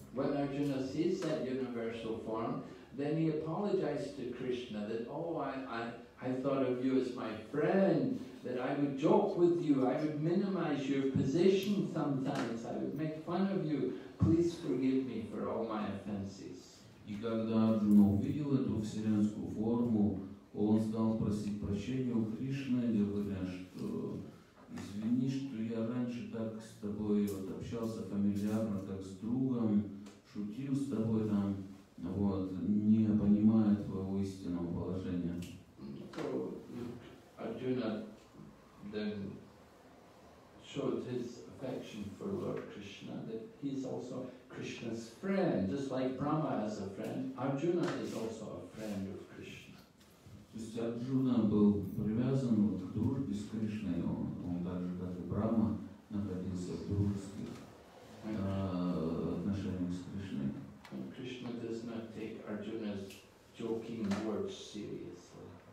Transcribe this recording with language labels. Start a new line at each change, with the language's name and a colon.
English: When Arjuna sees that universal form, then he apologized to Krishna that, oh, I thought of you as my friend, that I would joke with you, I would minimize your position sometimes, I would make fun of you, please forgive me for all my offenses.
Russian: И когда Арджуна увидел эту вселенскую форму, он стал просить прощения у Кришны, говоря, что извини, что я раньше так с тобой вот, общался фамильярно, как с другом, шутил с тобой там, вот, не понимая твоего истинного положения.
English: So, Arjuna then showed his affection for Lord Krishna, that he's also Krishna's friend, just like Brahma has a friend, Arjuna is also a friend of Krishna.
Russian: То есть Арджуна был привязан вот, к дружбе с Кришной, он также, как и Брахма, находился в дружеских отношениях с Кришной.
English: And Krishna does not take Arjuna's joking words seriously.